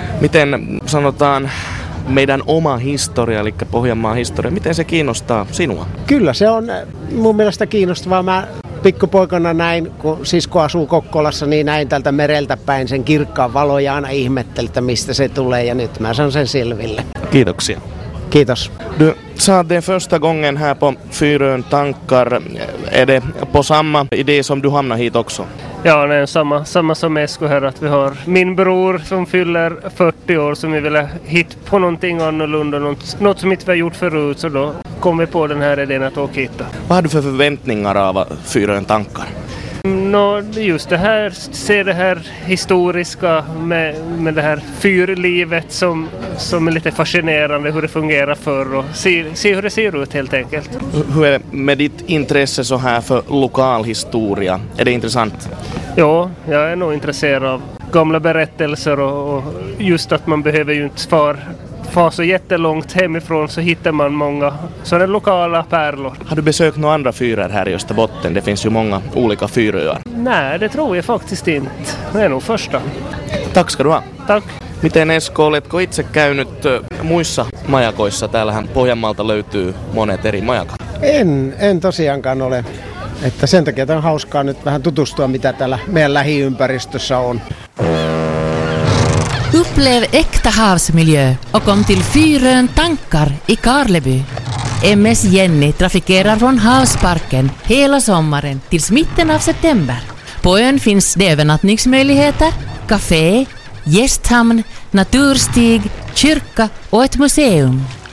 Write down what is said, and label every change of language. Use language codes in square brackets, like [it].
[fi] Miten sanotaan meidän oma historia, eli Pohjanmaan historia, miten se kiinnostaa sinua? Kyllä se on mun mielestä kiinnostavaa. Mä pikkupoikana näin, kun sisko asuu Kokkolassa, niin näin tältä mereltä päin sen kirkkaan valo ja aina ihmettelin, että mistä se tulee ja nyt mä saan sen selville. Kiitoksia. Kiitos. [sv] Du sa den första gången här på Fyrön tankar, är det på samma idé som du hamnar hit också? Ja, det är samma som Esko här, att vi har min bror som fyller 40 år som vi ville hitta på någonting annorlunda, något som inte vi har gjort förut, så då kom vi på den här idén att åka hit. Vad har du för förväntningar av Fyrön tankar? No, just det här, se det här historiska med det här fyrlivet som är lite fascinerande, hur det fungerar förr och se hur det ser ut helt enkelt. Hur är med ditt intresse så här för lokal historia? Är det intressant? Ja, jag är nog intresserad av gamla berättelser och just att man behöver ju inte far så jättelångt hemifrån så hittar man många sådana lokala pärlor. Har du besökt några andra fyrar här i Österbotten? Det finns ju många olika fyröar. Nej, det tror jag faktiskt inte. Det är nog första. Tack ska du ha. Tack. [fi] Miten Esko, oletko itse käynyt muissa majakoissa? Täällähän Pohjanmaalta löytyy monet eri majakat. En tosiaankaan ole. Että sen takia tämä on hauskaa nyt vähän tutustua, mitä täällä meidän lähiympäristössä on. [sv] Upplev äkta havsmiljö och kom till Fyrön tankar i Karleby. MS Jenny trafikerar från havsparken hela sommaren tills mitten av september. På ön finns det övernattningsmöjligheter, café, gästhamn, naturstig, kyrka och ett museum.